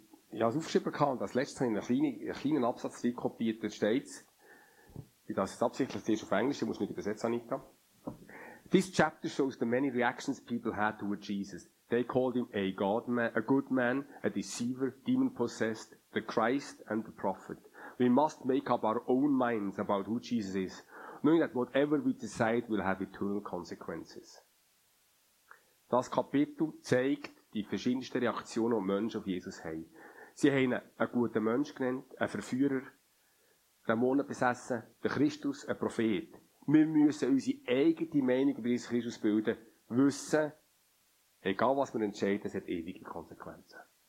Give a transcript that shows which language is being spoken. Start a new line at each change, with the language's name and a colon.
German: Ich habe es aufgeschrieben gehabt, als letztes in einem kleinen Absatz reinkopiert, dort steht's. Wie das jetzt absichtlich ist auf Englisch, ich muss nicht übersetzen, Anita.
English: This chapter shows the many reactions people had toward Jesus. They called him a God man, a good man, a deceiver, demon possessed, the Christ and the prophet. We must make up our own minds about who Jesus is, knowing that whatever we decide will have eternal consequences.
German: Das Kapitel zeigt die verschiedensten Reaktionen, die Menschen auf Jesus haben. Sie haben ihn einen guten Mensch genannt, einen Verführer, Dämonen besessen, den Christus, einen Prophet. Wir müssen unsere eigene Meinung über Jesus Christus bilden, wissen, egal was wir entscheiden, es hat ewige Konsequenzen.